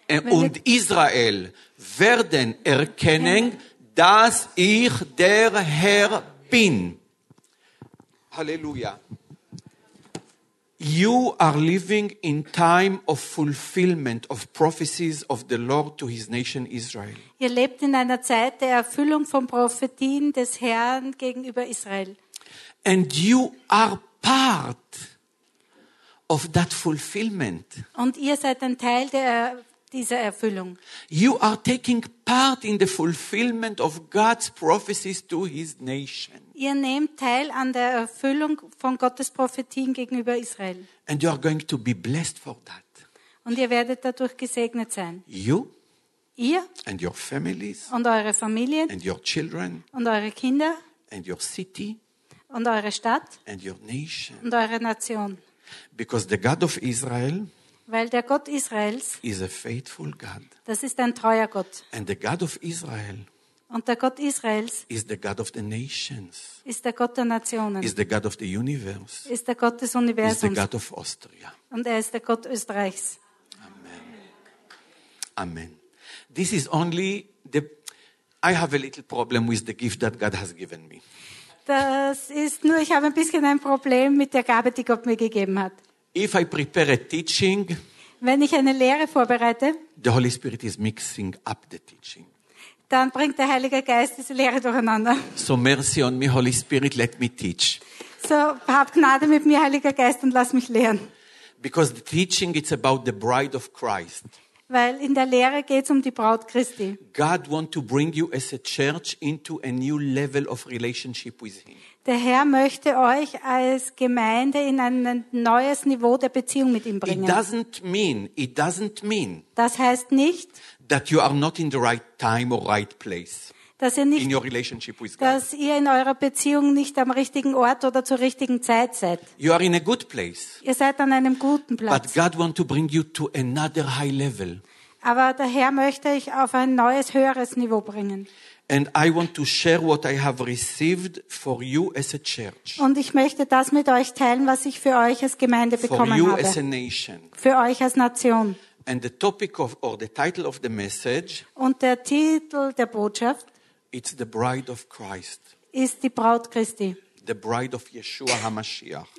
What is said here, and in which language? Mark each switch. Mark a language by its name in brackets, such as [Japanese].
[German] Und Israel werden erkennen, dass ich der Herr bin. Halleluja. [English] You are living in time of fulfillment of prophecies of the Lord to his nation Israel. [German] Ihr lebt in einer Zeit der Erfüllung von Prophetien des Herrn gegenüber Israel. [English] And you are part of that fulfillment. [German] Und ihr seid ein Teil dieser Erfüllung. [English] You are taking part in the fulfillment of God's prophecies to his nation. [German] Ihr nehmt teil an der Erfüllung von Gottes Prophetien gegenüber Israel. [English] And you are going to be blessed for that. [German] Und ihr werdet dadurch gesegnet sein. [English] You. [German] Ihr. [English] And your families. [German] Und eure Familien. [English] And your children. [German] Und eure Kinder. [English] And your city. [German] Und eure Stadt. [English] And your nation. [German] Und eure Nation. [English] Because the God of Israel. [German] Weil der Gott Israels [English] is a faithful God. [German] Das ist ein treuer Gott. [English] And the God of Israel. [German] Und der Gott Israels [English] is the God of the nations. [German] Ist der Gott der Nationen. [English] Is the God of the universe. [German] Ist der Gott des Universums. [English] Is the God of Austria. [German] Und er ist der Gott Österreichs. Amen. Amen. [English] This is only the I have a little problem with the gift that God has given me. [German] Das ist nur, ich habe ein bisschen ein Problem mit der Gabe, die Gott mir gegeben hat. [English] If I prepare a teaching, [German] wenn ich eine Lehre vorbereite, [English] the Holy Spirit is mixing up the teaching. [German] Dann bringt der Heilige Geist diese Lehre durcheinander. [English] So mercy on me, Holy Spirit, let me teach. [German] So hab Gnade mit mir, Heiliger Geist, und lass mich lehren. [English] Because the teaching is about the bride of Christ. [German] Weil in der Lehre geht's um die Braut Christi. [English] God want to bring you as a church into a new level of relationship with him. [German] Der Herr möchte euch als Gemeinde in ein neues Niveau der Beziehung mit ihm bringen. [English] It doesn't mean. [German] Das heißt nicht, [English] that you are not in the right time or right place. [German] Dass ihr nicht, [English] in your relationship with God. [German] Dass ihr in eurer Beziehung nicht am richtigen Ort oder zur richtigen Zeit seid. [English] You are in a good place. [German] Ihr seid an einem guten Platz. [English] But God want to bring you to another high level. [German] Aber der Herr möchte euch auf ein neues, höheres Niveau bringen. [English] And I want to share what I have received for you as a church. [German] Und ich möchte das mit euch teilen, was ich für euch als Gemeinde bekommen habe. [English] For you as a nation. [German] Für euch als Nation. [English] And the topic of or the title of the message. [German] Und der Titel der Botschaft. [English] It's the bride of Christ. [German] Ist die Braut Christi. [English] The bride of Yeshua HaMashiach.